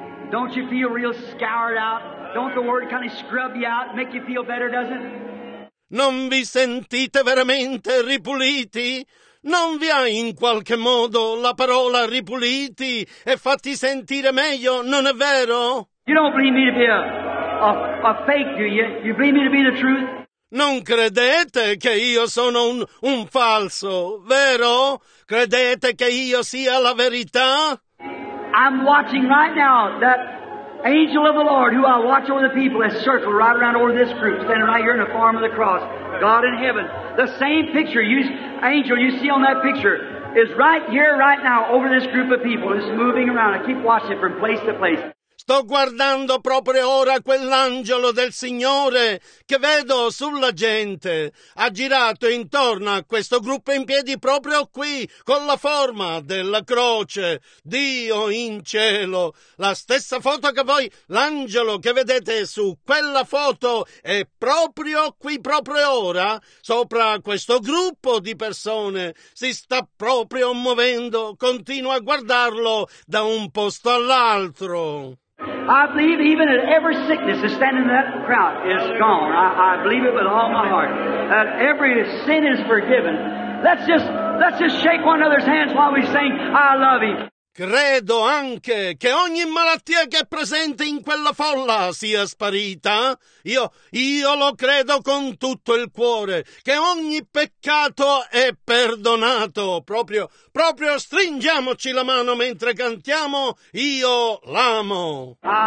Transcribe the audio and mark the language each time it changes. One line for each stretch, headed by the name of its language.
English: Don't you feel real scoured out? Don't the word kind of scrub you out, make you feel better, does it?
Italian: Non vi sentite veramente ripuliti? Non vi ha in qualche modo la parola ripuliti e fatti sentire meglio, non è vero?
English: You don't believe me to be a fake, do you? You believe me to be the truth?
Italian: Non credete che io sono un falso, vero? Credete che io sia la verità?
English: I'm watching right now that angel of the Lord who I watch over the people has circled right around over this group, standing right here in the form of the cross. God in heaven. The same picture, angel you see on that picture, is right here right now over this group of people. It's moving around. I keep watching it from place to place.
Italian: Sto guardando proprio ora quell'angelo del Signore che vedo sulla gente. Ha girato intorno a questo gruppo in piedi proprio qui, con la forma della croce. Dio in cielo. La stessa foto che voi, l'angelo che vedete su quella foto, è proprio qui, proprio ora, sopra questo gruppo di persone. Si sta proprio muovendo. Continua a guardarlo da un posto all'altro.
English: I believe even that every sickness that's standing in that crowd is gone. I believe it with all my heart. That every sin is forgiven. Let's just shake one another's hands while we sing, I love Him.
Italian: Credo anche che ogni malattia che è presente in quella folla sia sparita. Io lo credo con tutto il cuore, che ogni peccato è perdonato. Proprio stringiamoci la mano mentre cantiamo Io l'amo.